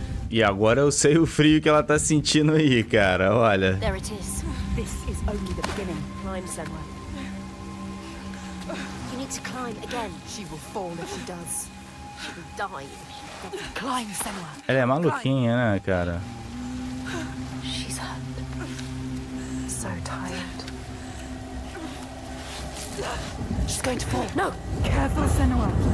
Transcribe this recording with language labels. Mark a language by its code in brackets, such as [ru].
[pt] E agora eu sei o frio que ela tá sentindo aí, cara. Olha. [en] There it is. This is only the beginning. Climb, Senua. You need to climb again. She will fall if she does. She will die if she doesn't. Climb, Senua. [pt] Ela é maluquinha, né, cara? [en] She's hurt. So tired. She's going to fall. No! Careful, Senua.